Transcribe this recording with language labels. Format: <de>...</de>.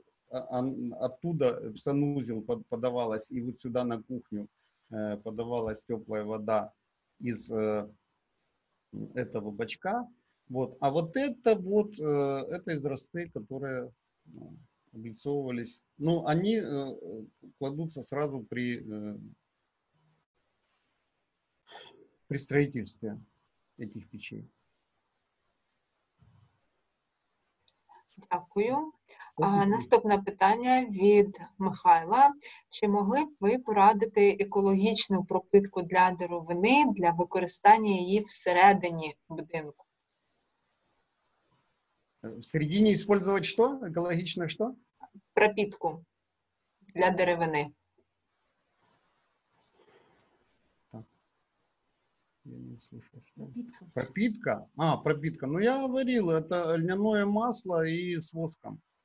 <ru>оттуда в санузел подавалась, и вот сюда на кухню подавалась теплая вода из этого бачка, вот, а вот это вот, это изразцы, которые облицовывались. Ну, они кладутся сразу при строительстве этих печей.</ru> <uk>Дякую. Наступне питання від Михайла. Чи могли б ви порадити екологічну прокидку для деревини для використання її всередині будинку?</uk> <ru>В середине использовать что? Экологичное что? Пропитку для деревины. Так. Я не слышал. Пропитка? А, пропитка. Ну, я говорил, это льняное масло и с воском.</ru>